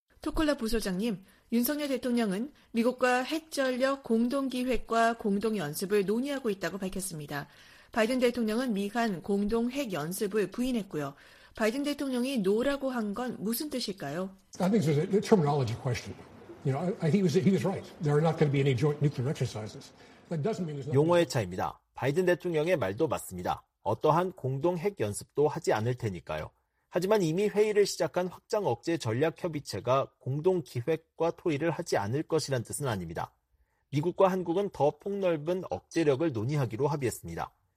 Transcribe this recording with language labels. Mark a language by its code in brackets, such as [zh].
[ko] 토콜라 부소장님, 윤석열 대통령은 미국과 핵전력 공동기획과 공동연습을 논의하고 있다고 밝혔습니다. 바이든 대통령은 미한 공동핵연습을 부인했고요. 바이든 대통령이 노라고 한 건 무슨 뜻일까요? [en] I think it's a terminology question. You know, he was right. There are not going to be any joint nuclear exercises. That doesn't mean there's [ko] 용어의 차이입니다. 바이든 대통령의 말도 맞습니다. 어떠한 공동 핵 연습도 하지 않을 테니까요. 하지만 이미 회의를 시작한 확장 억제 전략 협의체가 공동 기획과 토의를 하지 않을 것이란 뜻은 아닙니다. 미국과 한국은 더 폭넓은 억제력을 논의하기로 합의했습니다.